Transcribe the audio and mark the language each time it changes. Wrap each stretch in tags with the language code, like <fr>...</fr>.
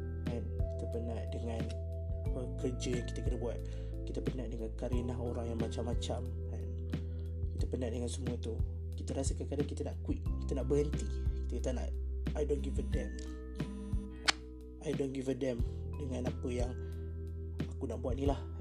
<en>And</en> <ms>kita penat dengan apa, kerja yang kita kena buat. Kita penat dengan karenah orang yang macam-macam.</ms> <en>And</en> <ms>kita penat dengan semua tu. Kita rasa kadang-kadang kita nak quit. Kita nak berhenti. Kita tak nak,</ms> <en>I don't give a damn. I don't give a damn</en> <ms>dengan apa yang aku nak buat ni lah.</ms>